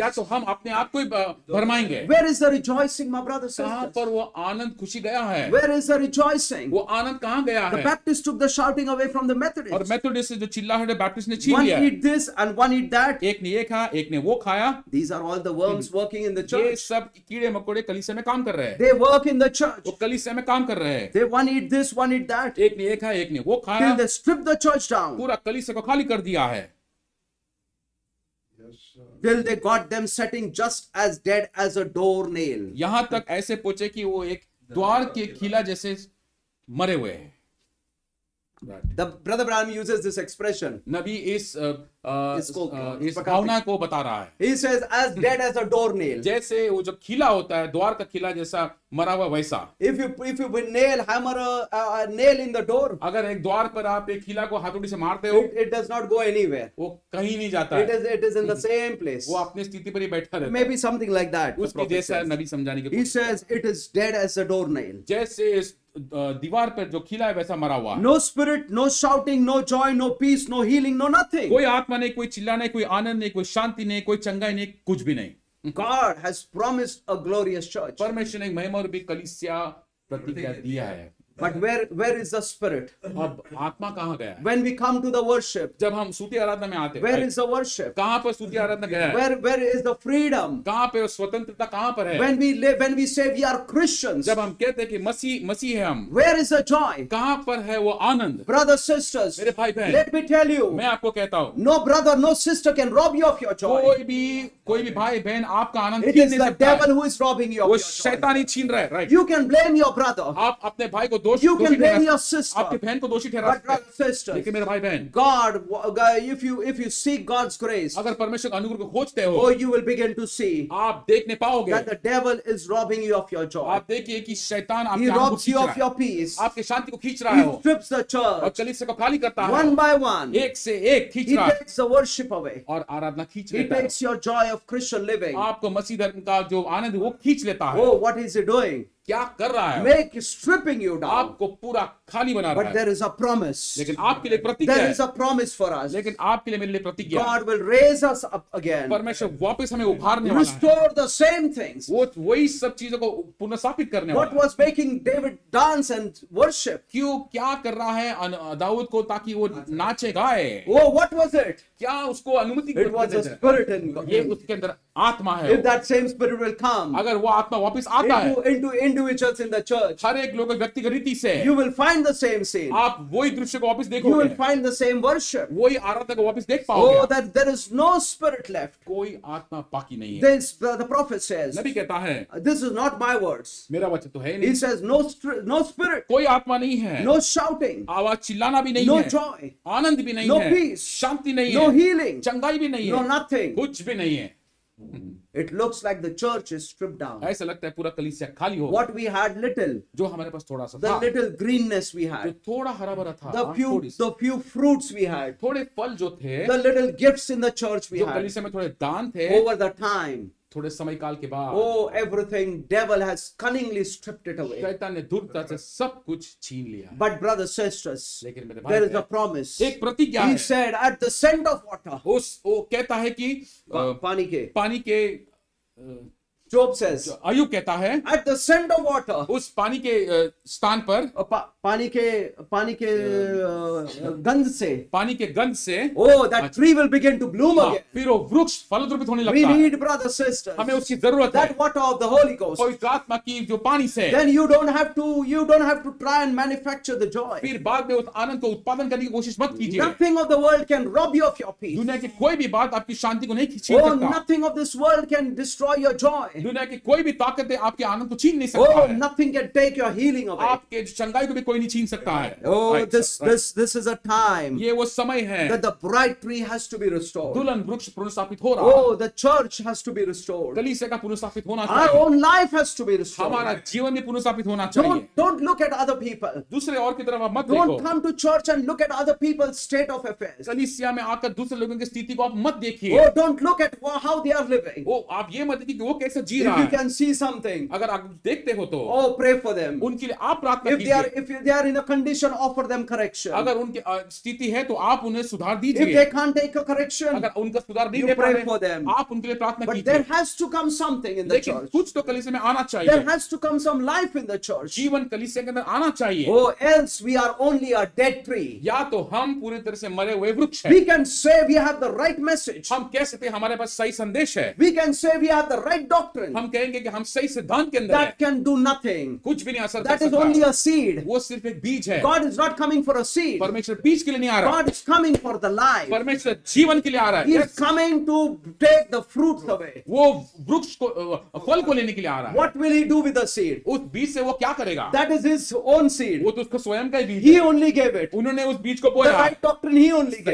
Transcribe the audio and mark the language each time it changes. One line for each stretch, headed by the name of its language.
Hindi: या तो हम अपने आप को ही भरमाएंगे।
English: Where is the rejoicing, my brothers and sisters?
Hindi: पर वो आनंद खुशी गया है।
English: Where is the rejoicing?
Hindi: वो आनंद कहाँ गया है?
English: The Baptist took the shouting away from the Methodists.
Hindi: और मेथोडिस्ट जो चिल्लाहट है बैप्टिस्ट ने छीन लिया।
English: One eat this and one eat that.
Hindi: एक ने ये खाया, एक ने वो खाया।
English: These are all the worms working in the church.
Hindi: ये सब कीड़े मकोड़े कलीसिया में काम कर रहे हैं।
English: They work in the church.
Hindi: वो कलीसिया में काम कर रहे हैं।
English: They one eat this, one eat that.
Hindi: एक ने ये खाया, एक ने वो खाया।
English: Till they strip the church down.
Hindi: पूरा कलीसिया को खाली कर दिया है।
English: Till they got them sitting just as dead as a door nail.
Hindi: यहाँ तक ऐसे पहुँचे कि वो एक द्वार के खिला जैसे मरे हुए हैं।
English: The brother Branham uses this expression.
Hindi: नबी इस इस भावना को बता रहा है।
English: He says as dead as a door nail.
Hindi: जैसे वो जो खिला होता है द्वार का खिला जैसा मरा हुआ वैसा।
English: If you nail hammer a nail in the door.
Hindi: अगर एक द्वार पर आप एक खिला को हथौड़ी से मारते हो।
English: It does not go anywhere.
Hindi: वो कहीं नहीं जाता।
English: It is in the same place.
Hindi: वो अपने स्थिति पर ही बैठा रहता है।
English: Maybe something like that.
Hindi: उसकी जैसा नबी समझाने के।
English: He says it is dead as a door nail.
Hindi: जैसे दीवार पर जो खिला है वैसा मरा हुआ।
English: No spirit, no shouting, no joy, no peace, no healing, no nothing.
Hindi: कोई आत्मा नहीं, कोई चिल्ला नहीं, कोई आनंद नहीं, कोई शांति नहीं, कोई चंगाई नहीं, कुछ भी नहीं।
English: God has promised a glorious church.
Hindi: परमेश्वर ने महिमा और भी कलीसिया प्रतिज्ञा दिया है।
English: But where is the spirit?
Hindi: अब आत्मा कहाँ गया?
English: When we come to the worship,
Hindi: जब हम स्तुति आराधना में आते हैं,
English: where is the worship?
Hindi: कहाँ पर स्तुति आराधना गया?
English: Where is the freedom?
Hindi: कहाँ पे स्वतंत्रता कहाँ पर है?
English: When we say we are Christians,
Hindi: जब हम कहते हैं कि मसीह है हम,
English: where is the joy?
Hindi: कहाँ पर है वो आनंद?
English: Brothers, sisters,
Hindi: मेरे भाई बहन,
English: let me tell you,
Hindi: मैं आपको कहता हूँ,
English: no brother, no sister can rob you of your joy.
Hindi: कोई भी भाई बहन आपका आनंद छीन नहीं सकता।
English: It is the devil who is robbing you of your joy.
Hindi: वो शैतानी छीन रहा है, right?
English: You can blame your brother.
Hindi: आप अपने भाई को
English: You can blame your sister.
Hindi: आपके बहन को दोषी ठहरा सकते हैं।
English: Sister,
Hindi: लेकिन मेरे भाई बहन,
English: God, if you seek God's grace,
Hindi: अगर परमेश्वर के अनुग्रह को खोजते हो,
English: you will begin to see,
Hindi: आप देखने पाओगे,
English: that the devil is robbing you of your joy.
Hindi: आप देखिए कि शैतान आपके आनंद को खींच रहा है।
English: He robs you of your peace.
Hindi: आपके शांति को खींच रहा है।
English: He strips the church.
Hindi: और कलीसिया को खाली करता है।
English: One by one,
Hindi: एक से एक खींच रहा
English: है। He takes the worship away.
Hindi: और आराधना खींच लेता है।
English: He takes your joy of Christian living.
Hindi: आपको मसीह धर्म का जो आनंद वो खींच लेता है।
English: Oh, what is he doing?
Hindi: क्या कर रहा है?
English: Make stripping you down.
Hindi: आपको पूरा खाली बना
English: But
Hindi: रहा है।
English: But there is a promise.
Hindi: लेकिन आपके लिए प्रतिज्ञा
English: है। There is a promise for us.
Hindi: लेकिन आपके लिए मेरे लिए प्रतिज्ञा
English: है। God will raise us up again.
Hindi: परमेश्वर वापस हमें उभारने वाला है।
English: Restore the same things.
Hindi: वो वही सब चीजों को पुनर्स्थापित करने वाला है।
English: What was making David dance and worship?
Hindi: क्यों क्या कर रहा है दाऊद को ताकि वो नाचे गाए?
English: Oh, what was it?
Hindi: क्या उसको अनुमति
English: It was a spirit in God.
Hindi: ये उसके अंदर आत्मा है।
English: If that same spirit will come,
Hindi: अगर वो आत्मा वापस आता है,
English: into individuals in the church,
Hindi: हर एक लोग व्यक्तिगत रीति से,
English: you will find the same scene.
Hindi: आप वही दृश्य को वापस देखोगे।
English: You will find the same worship.
Hindi: वही आराधना को वापस देख पाओगे।
English: Oh, that there is no spirit left.
Hindi: कोई आत्मा बाकी नहीं है।
English: This the prophet says.
Hindi: नबी कहता है।
English: This is not my words.
Hindi: मेरा वचन तो है नहीं।
English: He says no spirit.
Hindi: कोई आत्मा नहीं है।
English: No shouting.
Hindi: आवाज चिल्लाना भी नहीं
English: no
Hindi: है।
English: No joy.
Hindi: आनंद भी नहीं
English: no
Hindi: है।
English: No peace.
Hindi: शांति नहीं
English: no
Hindi: है।
English: No healing.
Hindi: चंगाई भी नहीं
English: no
Hindi: है।
English: No nothing.
Hindi: कुछ भी नहीं है।
English: It looks like the church is stripped down.
Hindi: ऐसा लगता है पूरा कलीसिया खाली हो।
English: What we had little,
Hindi: जो हमारे पास थोड़ा सा
English: the
Hindi: था,
English: the little greenness we had,
Hindi: जो थोड़ा हरा भरा था,
English: the few fruits we had,
Hindi: थोड़े फल जो थे,
English: the little gifts in the church we
Hindi: जो
English: had,
Hindi: जो कलीसिया में थोड़े दान थे,
English: over the time,
Hindi: थोड़े समय काल के बाद,
English: oh everything devil has cunningly stripped it away.
Hindi: शैतान ने दुर्दशा से सब कुछ छीन लिया।
English: But brothers, sisters,
Hindi: लेकिन मेरे भाई,
English: there is a promise.
Hindi: एक प्रतिज्ञा
English: है। He said at the scent of water.
Hindi: उस वो कहता है कि पानी के
English: Job says,
Hindi: आयु कहता है,
English: at the scent of water,
Hindi: उस पानी के स्थान पर, पानी के गंध से, पानी के गंध से,
English: oh that tree will begin to bloom again.
Hindi: फिर वो वृक्ष फलद्रुपित होने लगता
English: है. We need brothers, sisters.
Hindi: हमें उसकी जरूरत है.
English: That water of the Holy Ghost.
Hindi: पवित्र आत्मा की जो पानी से.
English: Then you don't have to try and manufacture the joy.
Hindi: फिर बाद में उस आनंद को उत्पादन करने की कोशिश मत कीजिए.
English: Nothing of the world can rob you of your peace.
Hindi: दुनिया की कोई भी बात आपकी शांति को नहीं खींच
English: सकता. Oh, nothing of this world can destroy your joy.
Hindi: दुनिया की कोई भी ताकत है आपके आनंद को छीन नहीं सकता.
English: Nothing can take your healing away.
Hindi: आपके चंगाई को भी कोई नहीं छीन सकता है.
English: This is a time.
Hindi: ये वो समय है.
English: That the bright tree has to be restored.
Hindi: दुल्हन वृक्ष पुनर्स्थापित हो रहा है.
English: The church has to be restored.
Hindi: कलीसिया का पुनर्स्थापित होना
English: चाहिए. Our own life has to be restored.
Hindi: हमारा जीवन भी पुनर्स्थापित होना चाहिए.
English: Don't look at other people.
Hindi: दूसरे और की तरफ आप मत देखो.
English: Don't come to church and look at other people's state of affairs.
Hindi: कलीसिया में आकर दूसरे लोगों की स्थिति को आप मत देखिए.
English: Oh, don't look at how they are living.
Hindi: Oh, आप ये मत देखिए कि वो कैसे जी
English: if
Hindi: रहा है.
English: You can see something.
Hindi: अगर आप देखते हो तो.
English: Oh, pray for them.
Hindi: उनके लिए आप प्रार्थना कीजिए.
English: If they are in a condition, offer them correction.
Hindi: अगर उनकी स्थिति है तो आप उन्हें सुधार दीजिए.
English: If they can't take a correction,
Hindi: अगर उनका सुधार नहीं दे पाए,
English: pray for them.
Hindi: आप उनके लिए प्रार्थना कीजिए.
English: But there has to come something in the
Hindi: लेकिन
English: church.
Hindi: कुछ तो कलीसिया में आना चाहिए.
English: There has to come some life in the church.
Hindi: जीवन कलीसिया के अंदर आना चाहिए.
English: Oh, else we are only a dead tree.
Hindi: या तो हम पूरी तरह से मरे हुए वृक्ष हैं.
English: We can say we have the right message.
Hindi: हम कह सकते हैं हमारे पास सही संदेश है.
English: We can say we have the right doctrine.
Hindi: हम कहेंगे कि हम सही सिद्धांत के अंदर
English: हैं. That can do nothing.
Hindi: कुछ भी नहीं असर कर
English: सकता. That is only a seed.
Hindi: वो सिर्फ एक बीज है.
English: God is not coming for a seed.
Hindi: परमेश्वर बीज के लिए नहीं आ रहा.
English: God is coming for the life.
Hindi: परमेश्वर जीवन के लिए आ रहा है.
English: He is coming to take the fruits away.
Hindi: वो वृक्ष को फल को लेने के लिए आ रहा है.
English: What will he do with the seed?
Hindi: उस बीज से वो क्या करेगा?
English: That is his own seed.
Hindi: वो तो उसका स्वयं का बीज.
English: He only gave it.
Hindi: उन्होंने उस बीज को बोया.
English: The right doctrine he only gave.